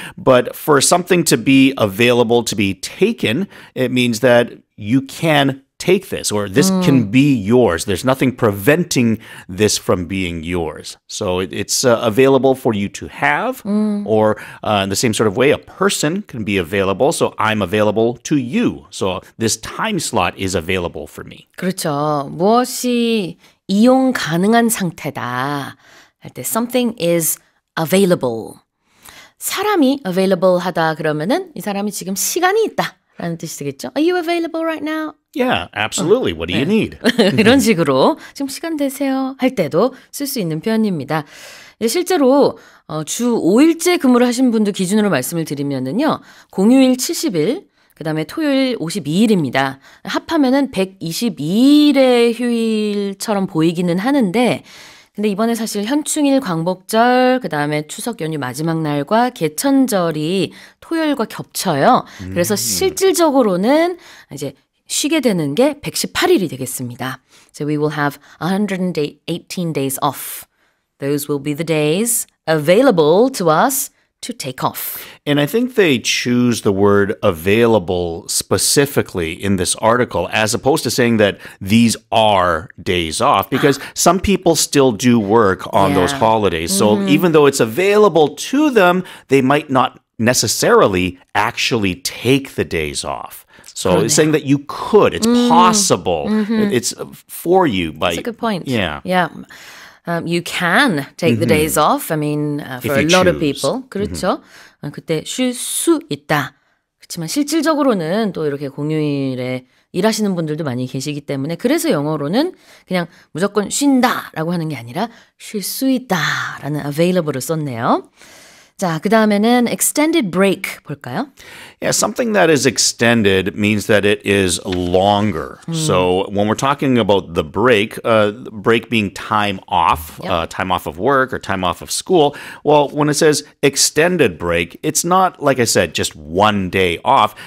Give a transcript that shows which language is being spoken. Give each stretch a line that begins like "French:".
English: But for something to be available to be taken, it means that you can take this or this can be yours. There's nothing preventing this from being yours. So it's available for you to have or in the same sort of way, a person can be available. So I'm available to you. So this time slot is available for me.
Korean: 그렇죠. 무엇이 이용 가능한 상태다. 할 때
English: something is available.
Korean: 사람이 available 하다 그러면은 이 사람이 지금 시간이 있다. 라는 뜻이 되겠죠?
English: Are you available right now? Yeah, absolutely. What do you need?
Korean: 이런 식으로 지금 시간 되세요? 할 때도 쓸 수 있는 표현입니다. 실제로 주 5일째 근무를 하신 분들 기준으로 말씀을 드리면은요. 공휴일 70일, 그 다음에 토요일 52일입니다. 합하면은 122일의 휴일처럼 보이기는 하는데 근데 이번에 사실 현충일 광복절, 그 다음에 추석 연휴 마지막 날과 개천절이 토요일과 겹쳐요. 그래서 실질적으로는 이제 쉬게 되는 게 118일이 되겠습니다.
English: So we will have 118 days off. Those will be the days available to us to take off. And I think they choose the word available specifically in this article as opposed to saying that these are days off because some people still do work on those holidays. So even though it's available to them, they might not necessarily actually take the days off. So it's saying that you could, it's possible. Mm-hmm. It's for you. But that's a good point. Yeah. Yeah. You can take the days off. I mean, for a lot of people.
Korean: 그렇죠. 그때 쉴 수 있다. 그렇지만 실질적으로는 또 이렇게 공휴일에 일하시는 분들도 많이 계시기 때문에 그래서 영어로는 그냥 무조건 쉰다라고 하는 게 아니라 쉴 수 있다라는 available을 썼네요. 자, 그 다음에는 extended break 볼까요?
English: Yeah, something that is extended means that it is longer. So when we're talking about the break, break being time off, time off of work or time off of school, well, when it says extended break, it's not, like I said, just one day off.